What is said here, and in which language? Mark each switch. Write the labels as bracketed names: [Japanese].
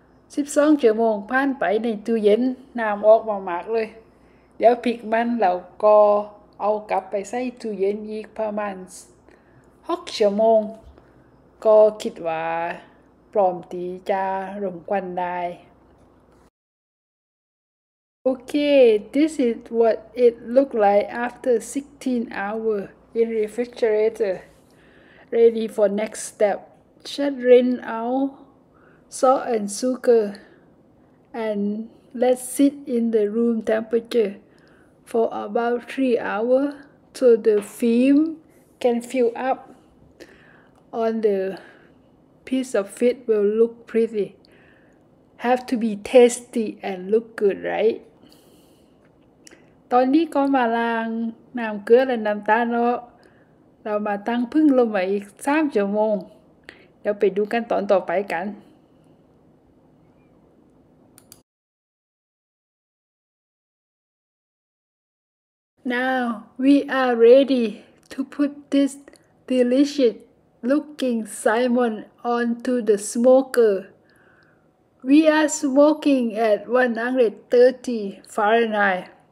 [Thai] 12ชั่วโมงผ่านไปในตู้เย็นน้ำออกมากๆเลยเดี๋ยวพลิกมันแล้วก็เอากลับไปใส่ตู้เย็นอีกประมาณ6ชั่วโมงก็คิดว่าพร้อมตีจะรมควันได้ [English] Okay, this is what it looked like after 16 hours in refrigerator. Ready for next step. Just rinse out salt and sugar and let sit in the room temperature for about 3 hours so the film can fill up on the piece of fish will look pretty. Have to be tasty and look good, right? [Thai] ตอนนี้ก็มาล้างน้ำเกลือและน้ำตาลเนาะเรามาตั้งผึ้งลมไว้อีก3ชั่วโมงเดี๋ยวไปดูกันตอนต่อไปกัน [English] Now we are ready to put this delicious looking salmon onto the smoker We are smoking at 130 Fahrenheit.